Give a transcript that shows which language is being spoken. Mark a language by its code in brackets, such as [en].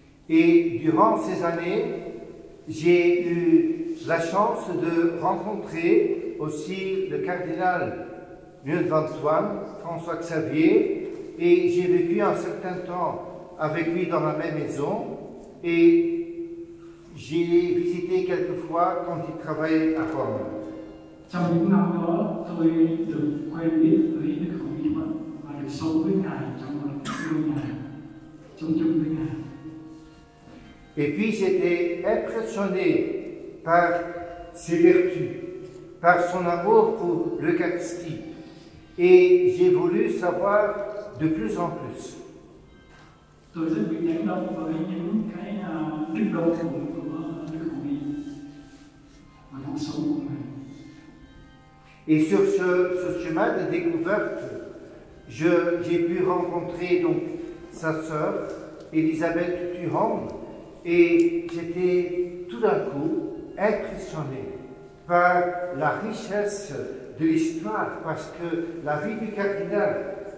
[fr] Et durant ces années, j'ai eu la chance de rencontrer aussi le cardinal Nguyen Van Thuan, François Xavier, et j'ai vécu un certain temps avec lui dans la même maison, et J'y ai visité quelques fois quand il travaillait à Rome. [vi] Trong những năm đó, tôi được quen biết với Đức Hồng Y Mận và được sống với Ngài trong một ngôi nhà, trong chung với Ngài. [fr] Et puis j'étais impressionné par ses vertus, par son amour pour l'Eucharistie. Et j'ai voulu savoir de plus en plus. [vi] Tôi rất bị nhận động với những cái đức độ của Đức Hồng Y và cuộc sống của Ngài. [fr] Et sur ce chemin de découverte, j'ai pu rencontrer donc sa sœur, Elisabeth Thuram, et j'étais tout d'un coup impressionné par la richesse de l'histoire, parce que la vie du cardinal